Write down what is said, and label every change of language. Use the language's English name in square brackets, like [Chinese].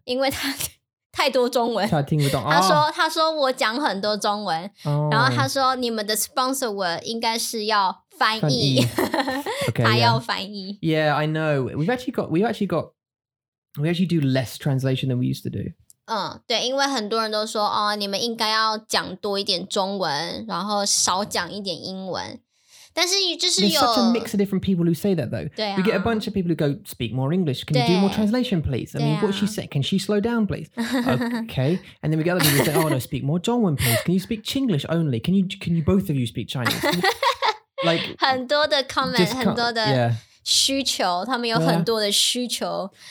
[Chinese] 因为他太多中文, 他听不懂, 他说我讲很多中文, 然后他说你们的 sponsor word 应该是要翻译, 翻译。Okay, 他要翻译。 [English] Yeah, I know. We actually do less translation than we used to do. 对，因为很多人都说, 你们应该要讲多一点中文, 然后少讲一点英文。 There's such a mix of different people who say that, though. You get a bunch of people who go, speak more English. Can you do more translation, please? I mean, what she said, can she slow down, please? Okay. And then we get other people who say, oh, no, speak more Zhongwen, please. Can you speak Chinglish only? Can you both of you speak Chinese? Like, [Chinese] 很多的comment,很多的需求,他们有很多的需求.